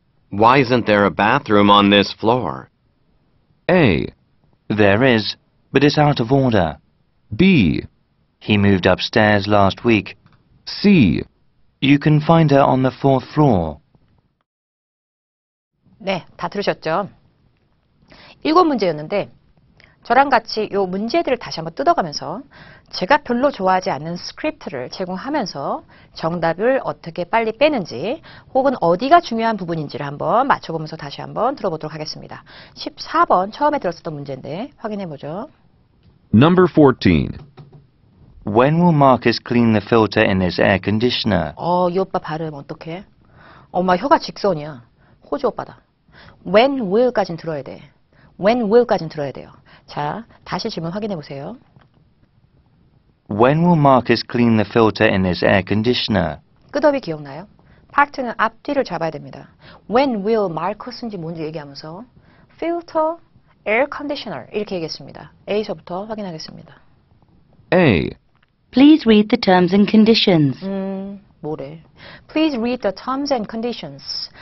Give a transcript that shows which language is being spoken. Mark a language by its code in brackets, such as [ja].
[en] Why isn't there a bathroom on this floor? A. There is, but it's out of order. B. He moved upstairs last week. C. You can find her on the fourth floor. [ko] 네, 다 들으셨죠? 일곱 문제였는데, 저랑 같이 요 문제들을 다시 한번 뜯어가면서 제가 별로 좋아하지 않는 스크립트를 제공하면서 정답을 어떻게 빨리 빼는지 혹은 어디가 중요한 부분인지를 한번 맞춰보면서 다시 한번 들어보도록 하겠습니다. 14번 처음에 들었었던 문제인데 확인해보죠. [en] Number 14. When will Marcus clean the filter in his air conditioner? [ko] 이 오빠 발음 어떡해? 엄마 혀가 직선이야. 호주 오빠다. [en] When will [ko] 까진 들어야 돼. When will까진 들어야 돼요. 자, 다시 질문 확인해 보세요. [en] When will Marcus clean the filter in his air conditioner? [ko] 끝업이 기억나요? 파트는 앞뒤를 잡아야 됩니다. [en] When will Marcus [ko] 인지 뭔지 얘기하면서 filter, air conditioner 이렇게 얘기했습니다. A서부터 확인하겠습니다. [en] A. Please read the terms and conditions. [ko] 뭐래? [en] Please read the terms and conditions.